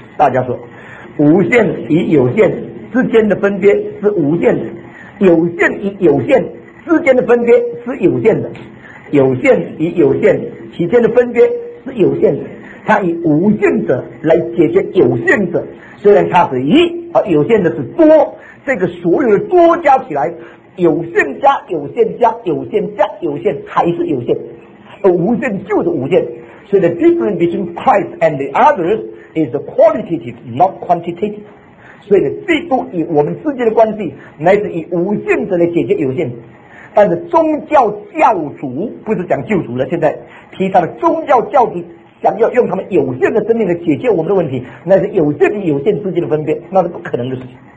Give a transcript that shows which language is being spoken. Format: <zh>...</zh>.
<zh>大家说，无限与有限之间的分别是无限的，有限与有限之间的分别是有限的，有限与有限之间的分别是有限的。他以无限者来解决有限者，虽然他是一，而有限的是多，这个所有的多加起来，有限加有限加有限加有限还是有限，而无限就是无限。所以</zh> <en>the difference between Christ and the others is qualitative, not quantitative。</en> <zh>所以呢，基督与我们之间的关系乃是以无限者来解决有限。但是宗教教主不是讲救主了，现在提他的宗教教主想要用他们有限的生命来解决我们的问题，那是有限与有限之间的分别，那是不可能的事情。</zh>